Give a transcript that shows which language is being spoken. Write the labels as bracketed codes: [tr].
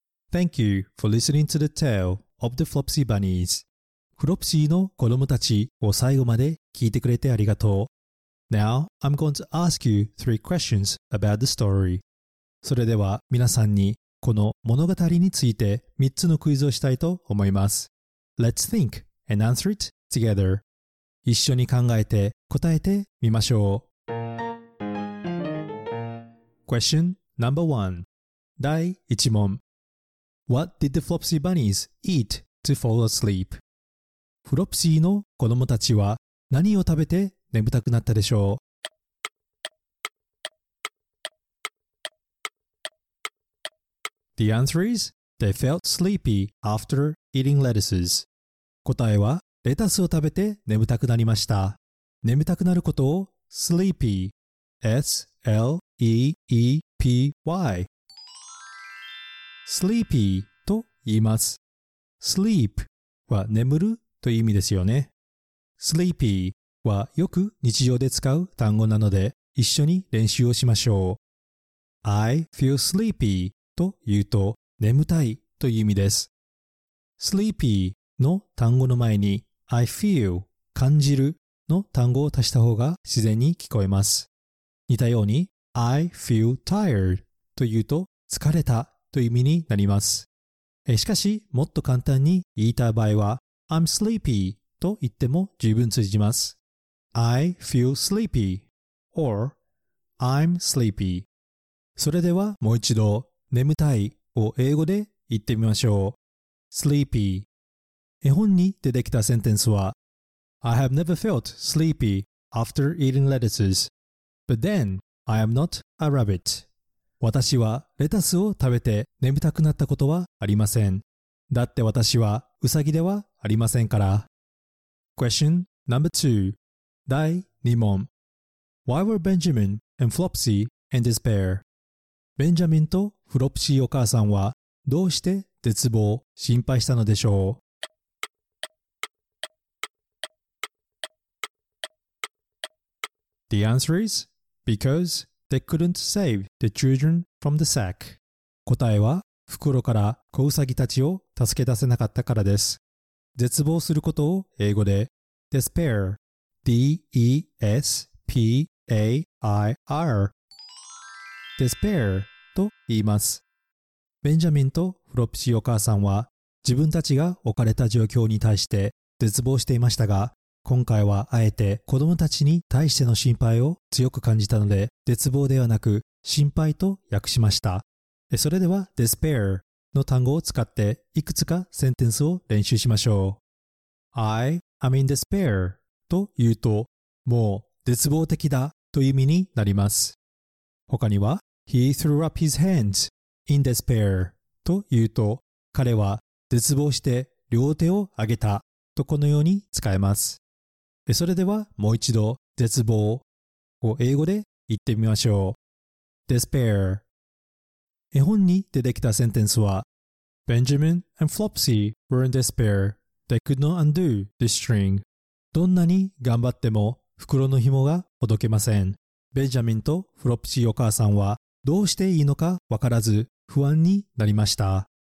[en] Thank you for listening to the tale of the Flopsy Bunnies. [ja] フロプシーの子供たちを最後まで聞いてくれてありがとう。 [en] Now, I'm going to ask you three questions about the story. [ja] それでは皆さんにこの物語について3つのクイズをしたいと思います。 [en] Let's think and answer it together. [ja] 一緒に考えて答えてみましょう。 [en] Question number one. [ja] 第1問。 [en] What did the Flopsy Bunnies eat to fall asleep? [ja] フロプシーの子供たちは何を食べて眠たくなったでしょう? [en] The answer is, they felt sleepy after eating lettuces. [ja] 答えは、レタスを食べて眠たくなりました。眠たくなることを sleepy, [en] S-L-E-E-P-Y. [ja] Sleepy と言います。Sleep は眠るという意味ですよね。 Sleepy はよく日常で使う単語なので一緒に練習をしましょう。 [en] I feel sleepy [ja] と言うと眠たいという意味です。Sleepy の単語の前に [en] I feel [ja] 感じるの単語を足した方が自然に聞こえます。似たように [en] I feel tired [ja] と言うと疲れたという意味になります。しかし、もっと簡単に言いたい場合は、 [en] I'm sleepy [ja] と言っても十分通じます。 [en] I feel sleepy or I'm sleepy。 [ja] それではもう一度、眠たいを英語で言ってみましょう。 [en] Sleepy。 [ja] 絵本に出てきたセンテンスは、 [en] I have never felt sleepy after eating lettuces, but then I am not a rabbit. [ja] 私はレタスを食べて眠たくなったことはありません。だって私はウサギではありませんから。 [en] Question number two. [ja] 第2問。 [en] Why were Benjamin and Flopsy in despair? [ja] ベンジャミンとフロプシーお母さんはどうして絶望、心配したのでしょう? [en] The answer is because... They couldn't save the children from the sack. [ja] 答えは、袋から子ウサギたちを助け出せなかったからです。絶望することを英語で、 [en] despair, D-E-S-P-A-I-R, [ja] despair と言います。ベンジャミンとフロプシーお母さんは、自分たちが置かれた状況に対して絶望していましたが、今回はあえて子供たちに対しての心配を強く感じたので、絶望ではなく心配と訳しました。それでは despair の単語を使っていくつかセンテンスを練習しましょう。 [en] I am in despair [ja] と言うと、もう絶望的だという意味になります。他には、 [en] He threw up his hands in despair [ja] と言うと、彼は絶望して両手を挙げたとこのように使えます。それではもう一度絶望を英語で言ってみましょう。 [en] Despair。 [ja] 絵本に出てきたセンテンスは、 [en] Benjamin and Flopsy were in despair. They could not undo the string. [ja] どんなに頑張っても袋の紐がほどけません。ベンジャミンとフロプシーお母さんはどうしていいのかわからず不安になりました。